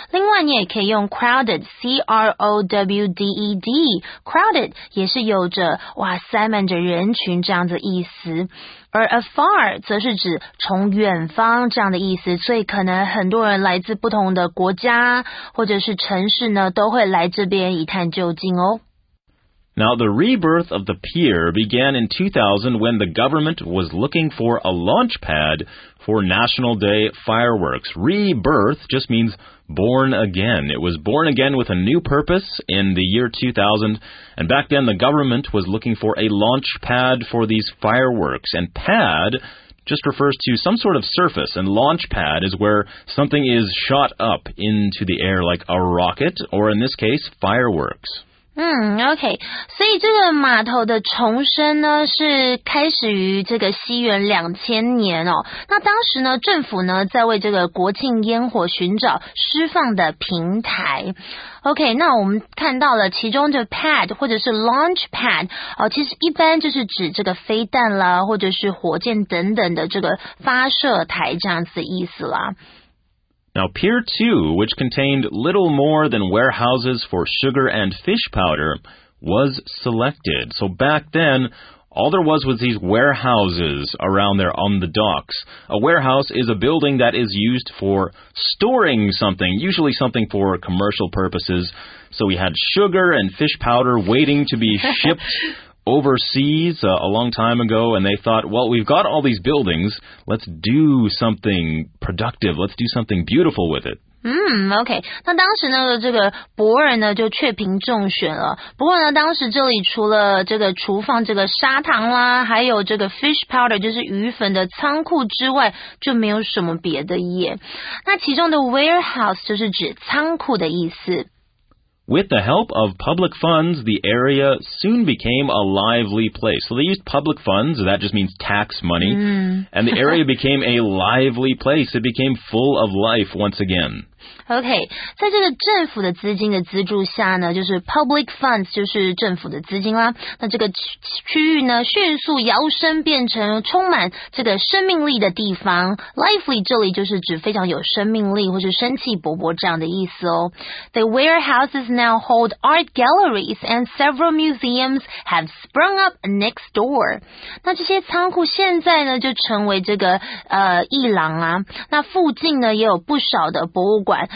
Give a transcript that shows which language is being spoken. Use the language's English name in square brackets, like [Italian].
[Chinese] 另外，你也可以用 crowded，C-R-O-W-D-E-D， crowded 也是有着哇塞满着人群这样的意思。而 afar 则是指从远方这样的意思，所以可能很多人来自不同的国家或者是城市呢，都会来这边一探究竟哦。 [English] Now, the rebirth of the pier began in 2000 when the government was looking for a launch pad for National Day fireworks. Rebirth just means born again. It was born again with a new purpose in the year 2000. And back then, the government was looking for a launch pad for these fireworks. And pad just refers to some sort of surface. And launch pad is where something is shot up into the air, like a rocket, or in this case, fireworks. [Chinese] OK, 所以这个码头的重生呢是开始于这个西元2000年哦。那当时呢政府呢在为这个国庆烟火寻找释放的平台。 OK, 那我们看到了其中的 pad 或者是 launch pad,其实一般就是指这个飞弹啦或者是火箭等等的这个发射台这样子的意思啦。 [English] Now, Pier 2, which contained little more than warehouses for sugar and fish powder, was selected. So back then, all there was these warehouses around there on the docks. A warehouse is a building that is used for storing something, usually something for commercial purposes. So we had sugar and fish powder waiting to be shipped overseas, a long time ago, and they thought, well, we've got all these buildings, let's do something productive, let's do something beautiful with it. [Chinese] OK, 那当时呢这个博人呢就确评中选了。不过呢当时这里除了这个厨房这个砂糖啦还有这个 fish powder, 就是鱼粉的仓库之外就没有什么别的耶。那其中的 warehouse 就是指仓库的意思。 [English] With the help of public funds, the area soon became a lively place. So they used public funds, that just means tax money. And the area became a lively place. It became full of life once again. [Chinese] OK, 在这个政府的资金的资助下呢就是 public funds, 就是政府的资金啦。那这个区域呢迅速摇身变成充满这个生命力的地方。 Lively 这里就是指非常有生命力或是生气勃勃这样的意思哦。 [English] The warehouses now hold art galleries and several museums have sprung up next door. [Chinese] 那这些仓库现在呢就成为这个艺廊啊。那附近呢也有不少的博物馆。